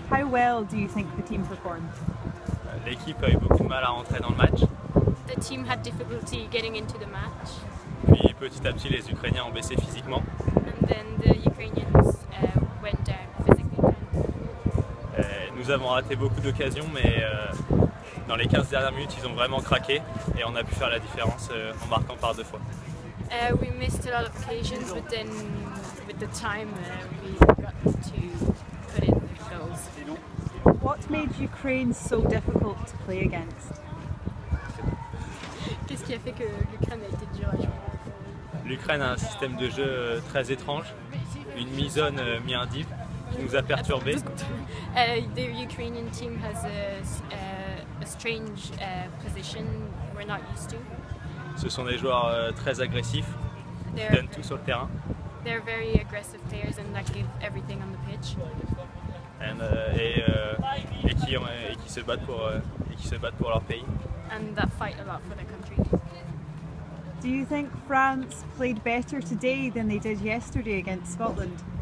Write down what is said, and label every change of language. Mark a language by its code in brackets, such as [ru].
[en] How well do you think the team performed? [fr] L'équipe a eu beaucoup de mal à rentrer dans le match. [en] The team had difficulty getting into the match. [fr] Puis petit à petit, les Ukrainiens ont baissé physiquement. [en] And then the Ukrainians went down physically. [fr] Nous avons raté beaucoup d'occasions, mais dans les 15 dernières minutes, ils ont vraiment craqué et on a pu faire la différence en marquant par deux fois. [en] We missed a lot of occasions, but then with the time, we got to put in the goals. What made Ukraine so difficult to play against? [fr] Qu'est-ce qui a fait que l'Ukraine a été dur à jouer? L'Ukraine a un système de jeu très étrange, une mi-zone, mi-indive, qui nous a perturbés. [en] The Ukrainian team has a strange position we're not used to. [fr] Ce sont des joueurs très agressifs, qui donnent tout sur le terrain. [en] They're very aggressive players and that give everything on the pitch. [fr] Et qui se battent pour leur pays. [en] And that fight a lot for their country. Do you think France played better today than they did yesterday against Scotland?